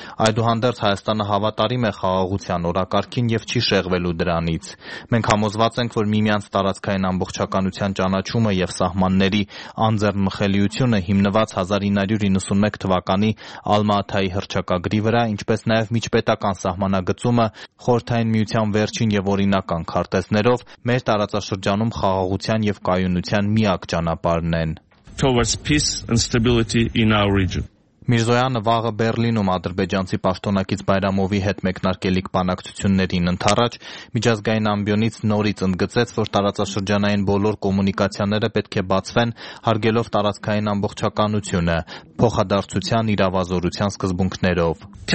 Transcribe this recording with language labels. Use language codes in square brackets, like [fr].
[hy] Այդուհանդերձ Հայաստանը հավատարիմ է խաղաղության օրակարգին և չի շեղվելու դրանից։ Մենք համոզված ենք, որ միմյանց տարածքային ամբողջականության ճանաչումը և սահմանների անձեռնմխելիությունը հիմնված 1991 թվականի Ալմաաթայի հռչակագրի վրա, ինչպես նաև միջպետական սահմանագծումը խորհրդային միության վերջին և օրինական քարտեզներով մեր տարածաշրջանում խաղաղության և կայունության միակ ճանապարհն են։ [en] Towards peace and stability in our region. [hy] Միրզոյանը վաղը Բեռլինում ադրբեջանցի պաշտոնակից Բայրամովի հետ մեկնարկելիք բանակցություններին ընդառաջ միջազգային ամբիոնից նորից ընդգծեց, որ տարածաշրջանային բոլոր կոմունիկացիաները պետք է բացվեն, հարգելով տարածքային ամբողջականությունը, փոխադարձության իրավազորության սկզբունքներով։